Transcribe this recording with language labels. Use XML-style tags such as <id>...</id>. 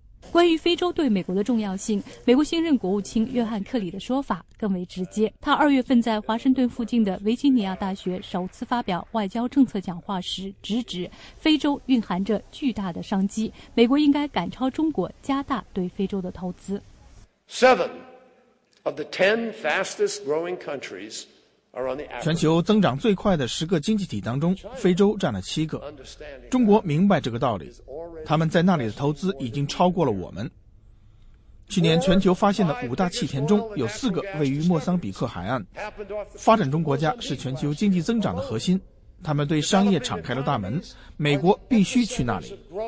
<zh>关于非洲对美国的重要性，美国新任国务卿约翰·克里的说法更为直接。他二月份在华盛顿附近的维吉尼亚大学首次发表外交政策讲话时直指，非洲蕴含着巨大的商机，美国应该赶超中国，加大对非洲的投资。</zh> <en>7 of the 10 fastest growing countries are on the average.</en> <zh>全球增长最快的十个经济体当中，非洲占了7个。中国明白这个道理，他们在那里的投资已经超过了我们。去年全球发现的五大气田中有4个位于莫桑比克海岸。发展中国家是全球经济增长的核心，他们对商业敞开了大门，美国必须去那里。</zh>